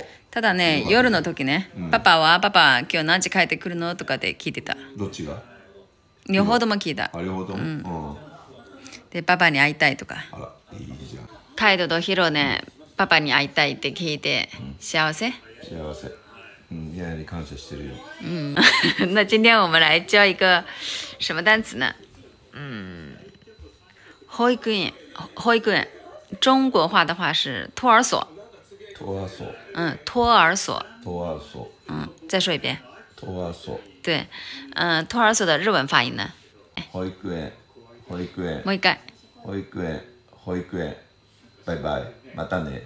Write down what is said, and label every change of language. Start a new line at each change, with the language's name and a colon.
Japanese: ただね、夜の時ね、パパは、パパ今日何時帰ってくるのとかで聞いてた。どっちが？両方とも聞いた。あ、両方とも、で、パパに会いたいとか。あら、いいじゃん。カイドとヒロね、パパに会いたいって聞いて、幸せ？幸せ。ヒロに感謝してるよ。
Chinese: 那今天我们来教一个什么单词呢？保育園、保育園。中国话的话是托儿所。托儿所。托儿所。托儿所。再说一遍。托儿所。对，托儿所的日文发音呢？
Japanese: 保育園。保育園。もう一回。保育園。保育園。拜拜。またね。